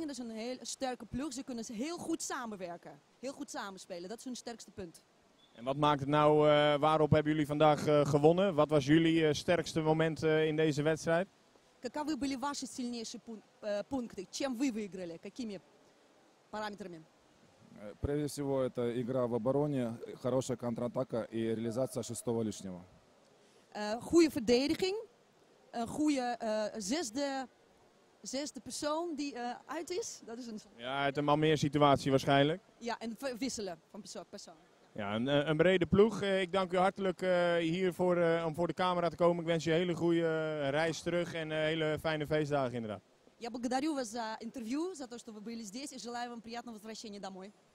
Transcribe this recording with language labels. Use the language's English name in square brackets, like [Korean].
[Dutch] Dat is een heel sterke ploeg. Ze kunnen heel goed samenwerken, heel goed samenspelen. Dat is hun sterkste punt. En wat maakt het nou, waarop hebben jullie vandaag gewonnen? Wat was jullie sterkste moment in deze wedstrijd? [Russian] Каковы были ваши сильнейшие пункты? Чем вы выиграли? Какими параметрами? Прежде всего, это игра в обороне, хорошая контратака и реализация шестого лишнего. [Dutch] Goede verdediging, een goede zesde persoon die uit is. Dat is een... Ja, uit een Malmeer situatie waarschijnlijk. Ja, en wisselen van persoon. Ja, een brede ploeg. Ik dank u hartelijk hier om voor de camera te komen. Ik wens je een hele goede reis terug en hele fijne feestdagen inderdaad. [Russian] Я благодарю вас за интервью, за то, что вы были здесь, и желаю вам приятного возвращения домой.